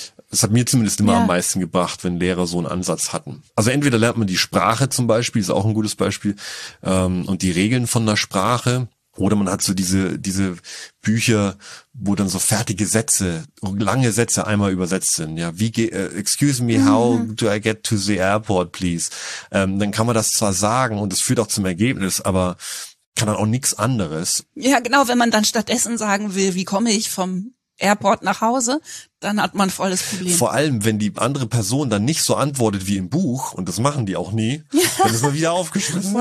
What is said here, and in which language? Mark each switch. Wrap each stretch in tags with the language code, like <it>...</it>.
<de>Das hat mir zumindest immer am meisten gebracht, wenn Lehrer so einen Ansatz hatten. Also entweder lernt man die Sprache zum Beispiel, ist auch ein gutes Beispiel, und die Regeln von der Sprache, oder man hat so diese Bücher, wo dann so fertige Sätze, lange Sätze einmal übersetzt sind. Ja, wie</de> <en>excuse me, how do I get to the airport, please?</en> <de>Dann kann man das zwar sagen und es führt auch zum Ergebnis, aber kann dann auch nichts anderes. Ja, genau, wenn man dann stattdessen sagen will, wie komme ich vom Airport nach Hause, dann hat man volles Problem. Vor allem, wenn die andere Person dann nicht so antwortet wie im Buch, und das machen die auch nie, dann ist man wieder aufgeschmissen.</de>